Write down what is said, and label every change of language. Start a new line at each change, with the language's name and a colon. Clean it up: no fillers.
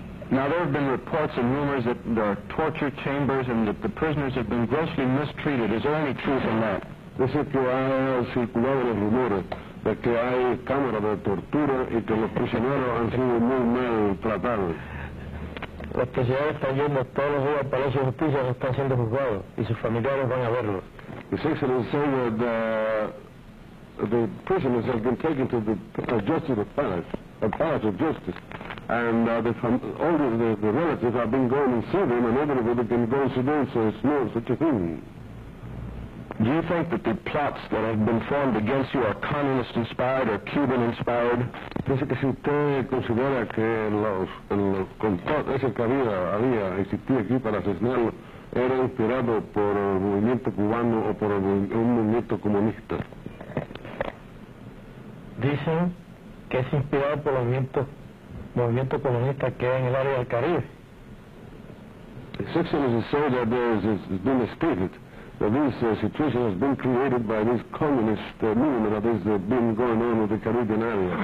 English: Now, there have been reports and rumors that there are torture chambers and that the prisoners have been grossly mistreated. Is there any truth in that?
Spanish: Dice que ha circulado los rumores de que hay cámaras de tortura y que los prisioneros han sido muy mal tratados. Los prisioneros están yendo todos los días al Palacio de Justicia, están siendo juzgados y sus familiares van a verlos.
English: His Excellency said that the prisoners have been taken to the Justice of Palace, the Palace of Justice, and all the relatives have been going to see them, and everybody can go to them, so it's not such a thing. Do you think that the plots that have been formed against you are communist-inspired or Cuban-inspired?
Spanish: Dice que si usted considera que los complots, ese que había existido aquí para asesinarlo, era inspirado por el movimiento cubano o por un movimiento comunista. Dicen que es inspirado por el movimiento comunista que hay en el área del Caribe.
English: His Excellency said that it's been stated. That this situation has been created by this communist movement that has been going on in the Caribbean area.